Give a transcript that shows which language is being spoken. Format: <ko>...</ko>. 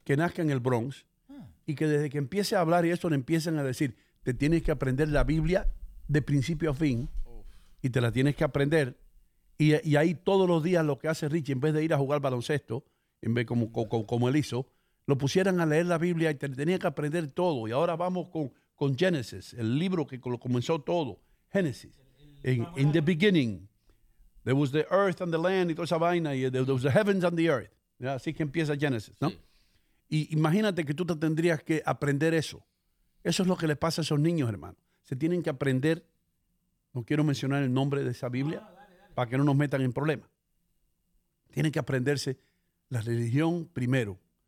<es>que nazca en el Bronx, y que desde que empiece a hablar y eso le empiecen a decir, te tienes que aprender la Biblia de principio a fin, y te la tienes que aprender. Y ahí todos los días lo que hace Richie, en vez de ir a jugar baloncesto, en vez como él hizo, lo pusieran a leer la Biblia y tenía que aprender todo. Y ahora vamos con Genesis, el libro que lo comenzó todo. Genesis.</es> <en>In the beginning, there was the earth and the land,</en> <es>y toda esa vaina,</es> <en>y there was the heavens and the earth.</en> <es>Así que empieza Genesis, ¿no? Sí. Y imagínate que tú te tendrías que aprender eso. Eso es lo que le pasa a esos niños, hermano. Se tienen que aprender, no quiero mencionar el nombre de esa Biblia, dale. Para que no nos metan en problemas. Tienen que aprenderse la religión primero.</es>